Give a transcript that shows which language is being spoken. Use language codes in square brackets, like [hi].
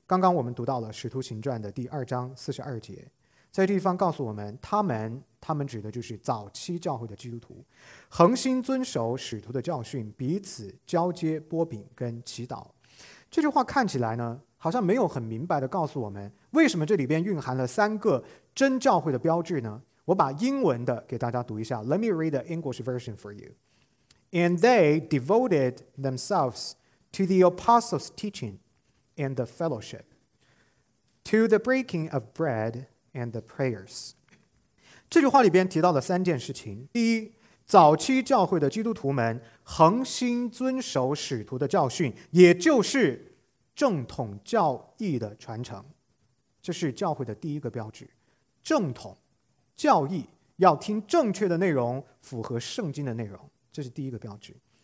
[zh] 刚刚我们读到了《使徒行传》的第二章四十二节，在这地方告诉我们，他们指的就是早期教会的基督徒，恒心遵守使徒的教训，彼此交接、拨饼跟祈祷。这句话看起来呢，好像没有很明白地告诉我们，为什么这里边蕴含了三个真教会的标志呢？我把英文的给大家读一下 [en] ，Let me read the English version for you. And they devoted themselves to the apostles' teaching and the fellowship, to the breaking of bread and the prayers. [zh] 这句话里边提到了三件事情：第一，早期教会的基督徒们恒心遵守使徒的教训，也就是正统教义的传承，这是教会的第一个标志。正统教义要听正确的内容，符合圣经的内容，这是第一个标志。